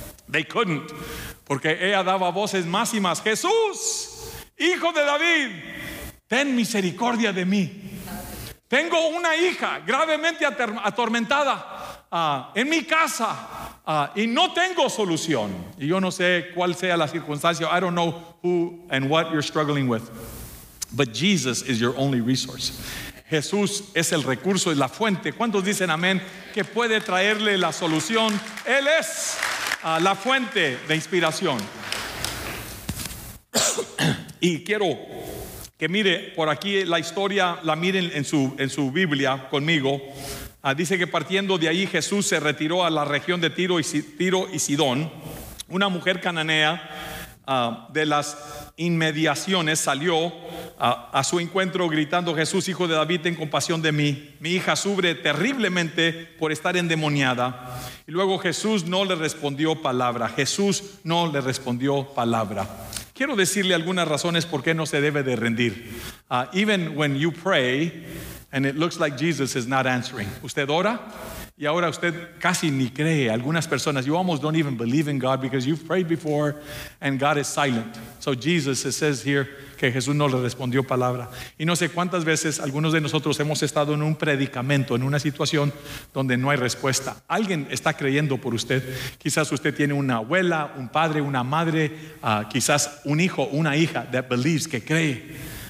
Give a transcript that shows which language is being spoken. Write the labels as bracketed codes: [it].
[en] They couldn't, [es] porque ella daba voces más y más: Jesús, Hijo de David, ten misericordia de mí. Tengo una hija gravemente atormentada en mi casa y no tengo solución. Y yo no sé cuál sea la circunstancia. [en] I don't know who and what you're struggling with, but Jesus is your only resource. [es] Jesús es el recurso, es la fuente. ¿Cuántos dicen amén que puede traerle la solución? Él es la fuente de inspiración. Y quiero que mire por aquí la historia, la miren en su Biblia conmigo. Dice que partiendo de ahí Jesús se retiró a la región de Tiro y Sidón. Una mujer cananea de las inmediaciones salió a su encuentro gritando: Jesús, Hijo de David, ten compasión de mí. Mi hija sufre terriblemente por estar endemoniada. Y luego Jesús no le respondió palabra. Jesús no le respondió palabra. Quiero decirle algunas razones por qué no se debe de rendir. [en] Even when you pray and it looks like Jesus is not answering. [es] Usted ora y ahora usted casi ni cree. Algunas personas, [en] you almost don't even believe in God because you've prayed before and God is silent. So Jesus, it says here [es] que Jesús no le respondió palabra. Y no sé cuántas veces algunos de nosotros hemos estado en un predicamento, en una situación donde no hay respuesta. Alguien está creyendo por usted. Quizás usted tiene una abuela, un padre, una madre, quizás un hijo, una hija [en] that believes, [es] que cree.